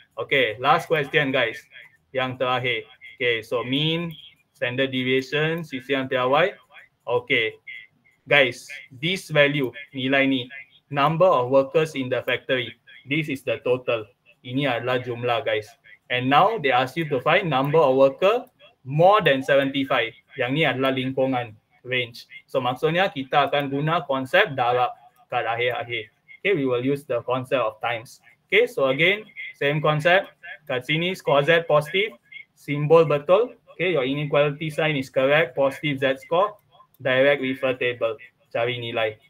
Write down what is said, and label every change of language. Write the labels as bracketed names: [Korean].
[English] Okay, last question guys. [Malay] Yang terakhir. [English] Okay, so mean, standard deviation, sisihan piawai. Okay. Guys, this value, [Malay] nilai ni. [English] Number of workers in the factory. This is the total. [Malay] Ini adalah jumlah guys. [English] And now they ask you to find number of worker more than 75. [Malay] Yang ni adalah lingkungan range. So maksudnya kita akan guna konsep darab kat akhir-akhir. [English] Okay, we will use the concept of times. Okay, so again, same concept. [Malay] Kat sini [English] score Z positive, symbol betul. Okay, your inequality sign is correct, positive Z score, direct refer table, [Malay] cari nilai.